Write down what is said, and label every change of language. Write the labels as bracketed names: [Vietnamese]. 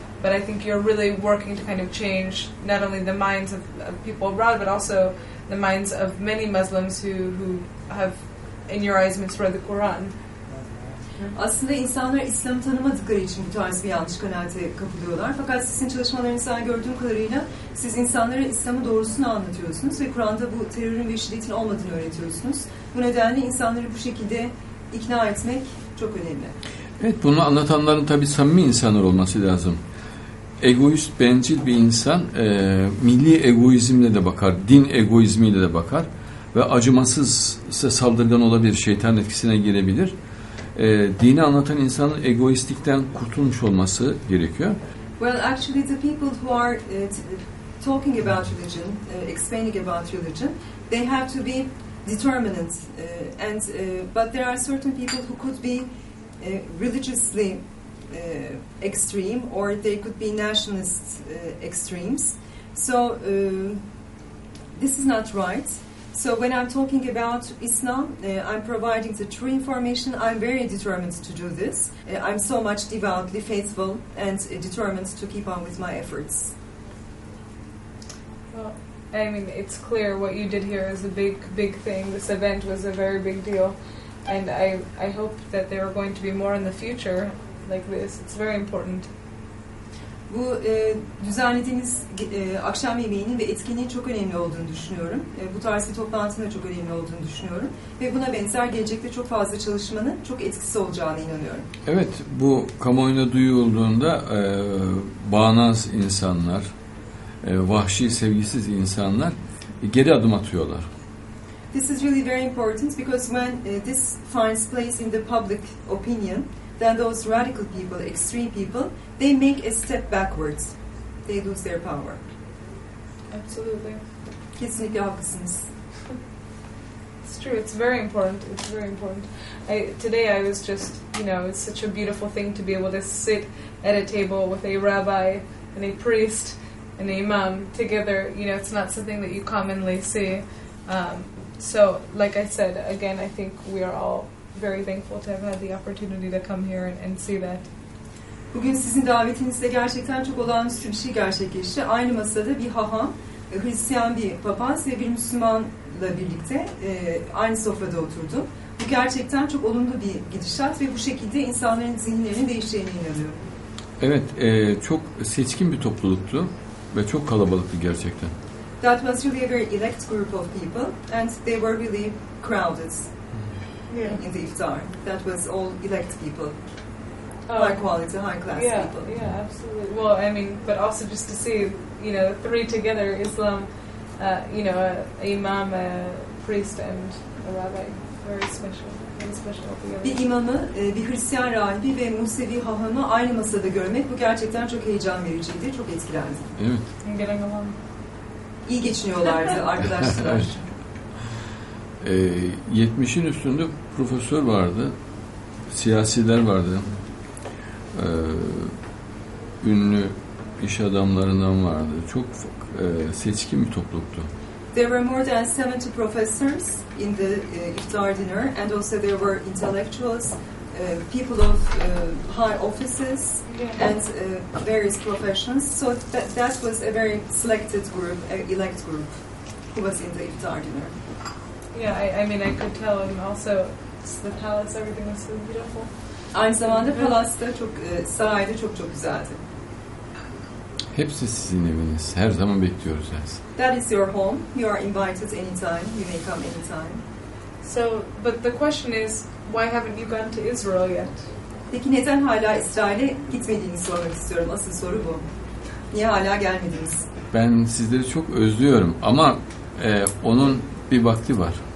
[English] But I think you're really working to kind of change not only the minds of people abroad, but also the minds of many Muslims who have, in your eyes, misread the Quran. [Turkish] Aslında insanlar İslam'ı tanımadıkları için bu tarz bir yanlış kanaate kapılıyorlar. Fakat sizin çalışmalarınızdan gördüğüm kadarıyla siz insanlara İslam'ın doğrusunu anlatıyorsunuz ve Kur'an'da bu terörün ve şiddetin olmadığını öğretiyorsunuz. Bu nedenle insanları bu şekilde ikna etmek çok önemli. Evet, bunu anlatanların tabii samimi insanlar olması lazım. Egoist, bencil bir insan milli egoizmle de bakar, din egoizmiyle de bakar ve acımasız ise saldırgan olabilir, şeytan etkisine girebilir. Dini anlatan insanın egoistlikten kurtulmuş olması gerekiyor. [English] Well, actually the people who are talking about religion, explaining about religion, they have to be determined but there are certain people who could be religiously extreme, or they could be nationalist extremes. So this is not right. So when I'm talking about Islam, I'm providing the true information. I'm very determined to do this. I'm so much devoutly faithful and determined to keep on with my efforts. Well, I mean, it's clear what you did here is a big, big thing. This event was a very big deal. And I hope that there are going to be more in the future like this. It's very important. [Turkish] Bu düzenlediğiniz akşam yemeğinin ve etkinliğin çok önemli olduğunu düşünüyorum. Bu tarz bir toplantının da çok önemli olduğunu düşünüyorum. Ve buna benzer gelecekte çok fazla çalışmanın çok etkisi olacağına inanıyorum. Evet, bu kamuoyuna duyulduğunda bağnaz insanlar, vahşi sevgisiz insanlar geri adım atıyorlar. [English] This is really very important because when this finds place in the public opinion, then those radical people, extreme people, they make a step backwards. They lose their power. Absolutely. [Turkish] Kesinlikle haklısınız. [English] It's true. It's very important. It's very important. Today I was just, it's such a beautiful thing to be able to sit at a table with a rabbi and a priest and a imam together. It's not something that you commonly see. So, like I said, again, I think we are all very thankful to have had the opportunity to come here and see that. [Turkish] Bugün sizin davetinizle gerçekten çok olağanüstü bir şey gerçekleşti. Aynı masada bir haham, Hristiyan bir papaz ve bir Müslümanla birlikte aynı sofrada oturdu. Bu gerçekten çok olumlu bir gidişat ve bu şekilde insanların zihinlerini değiştireceğine inanıyorum. Evet, çok seçkin bir topluluktu ve çok kalabalıktı gerçekten. [English] That was really a very elect group of people, and they were really crowded in the iftar. That was all elect people, high quality, high class people. Yeah, absolutely. Well, I mean, but also just to see, three together, Islam, an imam, a priest, and a rabbi, very special. [Turkish] Bir imamı, bir Hristiyan rahibi ve Musevi hahamı aynı masada görmek, bu gerçekten çok heyecan vericiydi, çok etkilendi. Evet. İyi geçiniyorlardı arkadaşlar. 70'in üstünde profesör vardı. Siyasiler vardı. Ünlü iş adamlarından vardı. Çok seçkin bir topluluktu. [English] There were more than 70 professors in the iftar dinner, and also there were intellectuals, people of high offices and various professions. So that was a very selected group, an elect group, who was in the iftar dinner. Yeah, I mean, I could tell, and also the palace, everything was so beautiful. [Turkish] Aynı zamanda palasta çok sarayda çok çok güzeldi. Hepsi sizin eviniz. Her zaman bekliyoruz sizi. [English] That is your home. You are invited anytime. You may come anytime. So, but the question is, why haven't you gone to Israel yet? [Turkish] Peki neden hala İsrail'e gitmediğini sormak istiyorum. Asıl soru bu. Niye hala gelmediniz? Ben sizleri çok özlüyorum ama onun bir vakti var.